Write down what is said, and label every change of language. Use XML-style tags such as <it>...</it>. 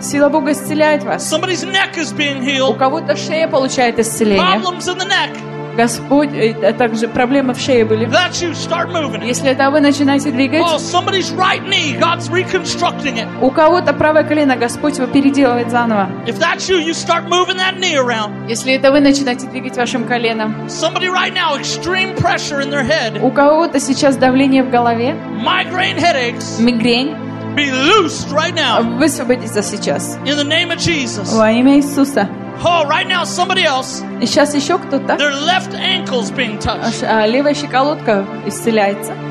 <ru>Сила Бога исцеляет вас.</ru> <en>Somebody's neck is being healed.</en> <ru>У кого-то шея получает исцеление.</ru> <en>Problems in the neck.</en> <ru>Господь, также проблемы в шее были.</ru> <en>That's you. Start moving it.</en> <ru>Если это вы, начинаете двигать.</ru> <en>Oh, somebody's right knee. God's reconstructing it.</en> <ru>У кого-то правое колено, Господь его переделывает заново.</ru> <en>If that's you, you start moving that knee around.</en> <ru>Если это вы, начинаете двигать вашим коленом.</ru> <en>Somebody right now, extreme pressure in their head.</en> <ru>У кого-то сейчас давление в голове.</ru> <en>Migraine headaches.</en> <ru>Мигрень.</ru> <en>Be loosed right now.</en> <ru>Высвободиться сейчас.</ru> <en>In the name of Jesus.</en> <ru>Во имя Иисуса.</ru> <en>Oh, right now somebody else.</en> <ru>И сейчас еще кто-то.</ru> <en>Their left ankle's being touched.</en> <ru>Левая щиколотка исцеляется.</ru>